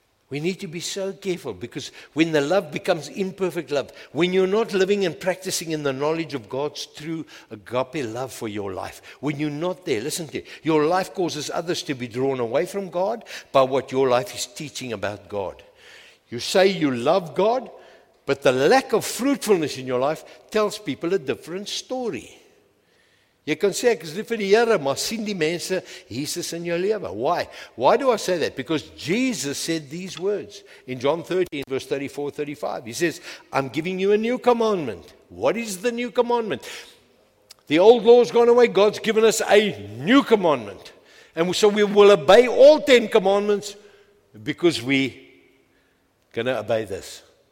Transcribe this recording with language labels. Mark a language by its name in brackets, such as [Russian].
[English] We need to be so careful because when the love becomes imperfect love, when you're not living and practicing in the knowledge of God's true agape love for your life, when you're not there, listen to it, your life causes others to be drawn away from God by what your life is teaching about God. You say you love God, but the lack of fruitfulness in your life tells people a different story. [Afrikaans] Jy kan sê, ek is lief vir die Here, maar sien die mense Jesus in jou lewe. [English] Why? Why do I say that? Because Jesus said these words in John 13, verse 34, 35. He says, I'm giving you a new commandment. What is the new commandment? The old law has gone away. God's given us a new commandment. And so we will obey all 10 commandments because we gonna obey this.